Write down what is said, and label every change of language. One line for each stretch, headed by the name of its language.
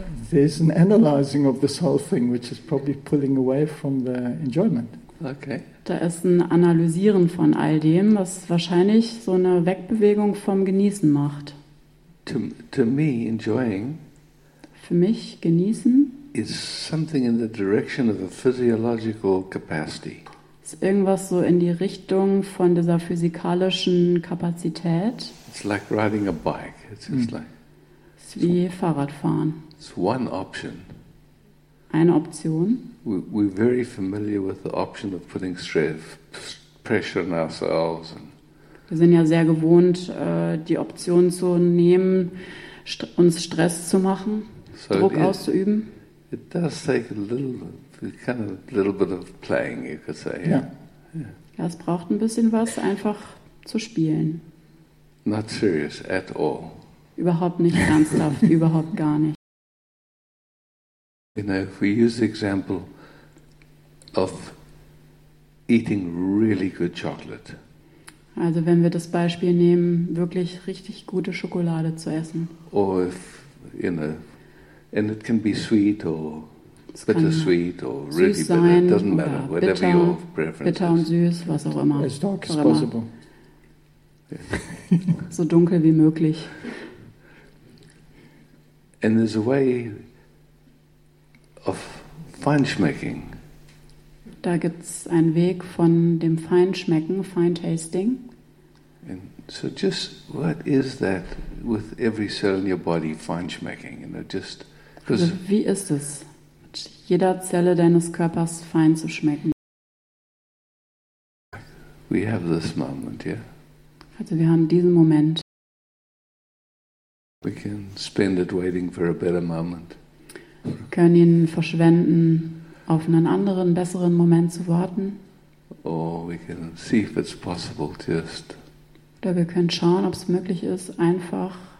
English: There's an analyzing of this whole thing, which is probably pulling away from the enjoyment. Okay.
German: Da ist ein Analysieren von all dem, was wahrscheinlich so eine Wegbewegung vom Genießen macht.
English: To me, enjoying.
German: Für mich genießen.
English: Is something in the direction of a physiological capacity.
German: Ist irgendwas so in die Richtung von dieser physikalischen Kapazität.
English: It's like riding a bike. It's just like.
German: Ist wie Fahrradfahren.
English: It's one option.
German: Eine Option.
English: We're very familiar with the option of putting stress, pressure on ourselves.
German: Wir sind ja sehr gewohnt, die Option zu nehmen, uns Stress zu machen, so Druck auszuüben.
English: It does take a little bit of playing, you could say. Yeah.
German: Ja, es braucht ein bisschen was, einfach zu spielen.
English: Not serious at all.
German: Überhaupt nicht ernsthaft, überhaupt gar nicht.
English: You know, if we use the example of eating really good chocolate.
German: Also, wenn wir das Beispiel nehmen, wirklich richtig gute Schokolade zu essen.
English: Or if, you know, and it can be sweet or
German: es
English: bittersweet
German: kann
English: or really
German: süß
English: bitter.
German: Sein
English: it doesn't matter,
German: bitter,
English: whatever your preference.
German: Bitter und süß, was auch immer.
English: As dark as possible.
German: So dunkel wie möglich.
English: And there's a way. Of Feinschmecking.
German: Da gibt's einen Weg von dem Feinschmecken, Feintasting.
English: And so just what is that with every cell in your body, Feinschmecking? You know, just because.
German: Also wie ist es, mit jeder Zelle deines Körpers fein zu schmecken?
English: We have this moment, yeah.
German: Also wir haben diesen Moment.
English: We can spend it waiting for a better moment.
German: Können ihn verschwenden, auf einen anderen, besseren Moment zu warten.
English: Oh, we can see if it's possible just.
German: Oder wir können schauen, ob es möglich ist, einfach